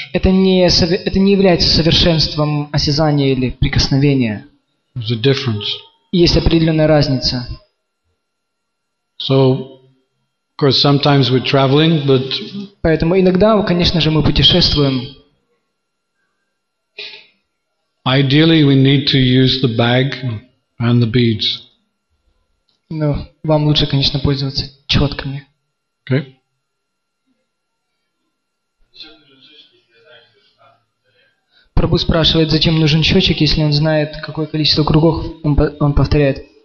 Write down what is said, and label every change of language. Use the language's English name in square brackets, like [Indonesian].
[Russian] Это не является совершенством осязания или прикосновения. [English] There's a difference. [Russian] Есть определенная разница. [English] So. Of course, sometimes we're traveling, but. [Russian] Поэтому иногда, конечно же, мы путешествуем. [English] Ideally, we need to use the bag and the beads. [Russian] Ну, вам лучше, конечно, пользоваться четками. [English] Okay. [Russian] Прабу спрашивает, зачем нужен счетчик, если он знает, какое количество кругов он повторяет.